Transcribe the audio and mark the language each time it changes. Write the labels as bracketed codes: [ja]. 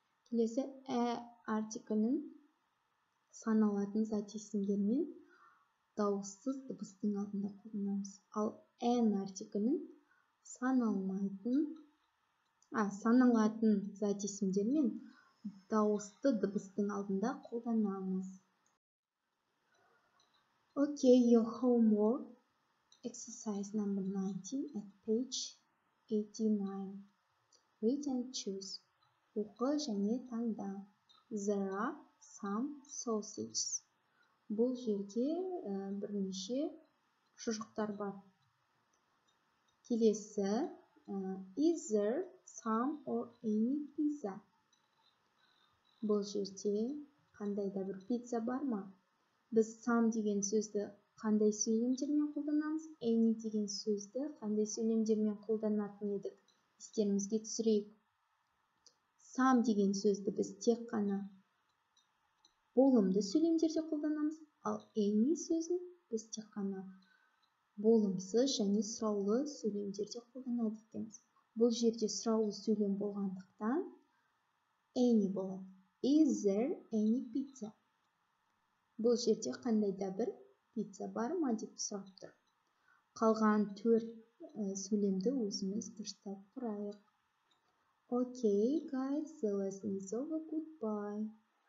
[kk] Келесі ә артиклінің саналатын зат есімдермен дауыссыз дыбыстың алдында қолданамыз. Ал ән артиклінің саналмайтын саналатын зат есімдермен дауысты дыбыстың алдында қолданамыз. [en] Okay, your homework, exercise number 19 at page 89. Read and choose. [kk] Оқы және таңда. [en] There are some sausages. [kk] Бұл жерге бірнеше шұжықтар бар. [en] Келесі, is there some or any pizza? [kk] Бұл жерде қандай да бір пицца бар ма? Біз some деген сөзді қандай сөйлемдермен қолданамыз? Any деген сөзді қандай сөйлемдермен қолданатын едік? Естеріңізге түсірейік. Some деген сөзді біз тек қана болымды сөйлемдерде қолданамыз, ал any сөзін біз тек қана болымсыз және сұраулы сөйлемдерде қолданады екенбіз. Бұл жерде сұраулы сөйлем болғандықтан any болады. [en] Is there any pizza? [kk] Бұл жерде қандай да бір пицца бар ма деп сұрап тұр. Қалған төрт сөйлемді өзіміз дұрыстап құрайық. [en] Okay, guys, the lesson is over. Goodbye.